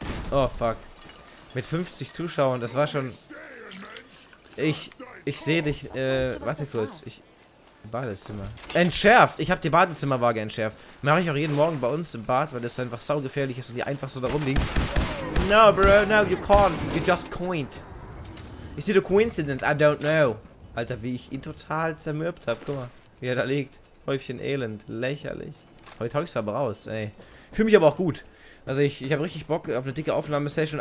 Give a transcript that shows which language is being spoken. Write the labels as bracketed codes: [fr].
[de] Oh, fuck. Mit 50 Zuschauern, das war schon... Ich sehe dich... warte kurz. Badezimmer. Entschärft! Ich habe die Badezimmerwaage entschärft. Mache ich auch jeden Morgen bei uns im Bad, weil das einfach saugefährlich ist und die einfach so da rumliegen. [en] No, bro, no, you can't. You just coined. Is it a coincidence? I don't know. [de] Alter, wie ich ihn total zermürbt habe. Guck mal, wie er da liegt. Häufchen Elend. Lächerlich. Heute habe ich es aber raus, ey. Fühle mich aber auch gut. Also ich habe richtig Bock auf eine dicke Aufnahmesession.